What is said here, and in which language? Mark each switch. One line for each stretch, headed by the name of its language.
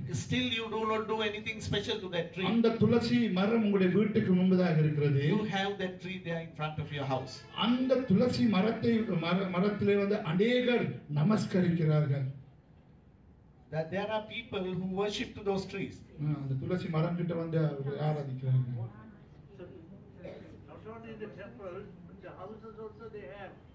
English: Still you do not do anything special to that tree.
Tamil: அந்த துளசி மரம் உங்களுடைய வீட்டுக்கு முன்பதாக இருக்கிறது.
English: You have that tree there in front of your house.
Tamil: அந்த துளசி மரத்தை மரத்திலே வந்து அநேகர் நமஸ்கரிக்கிறார்கள்.
English: That there are people who worship to those trees.
Tamil: அந்த துளசி மரம் கிட்ட வந்து அவர்கள் ஆராதிக்கிறார்கள்.
English: Not only the temple, but the houses also they have.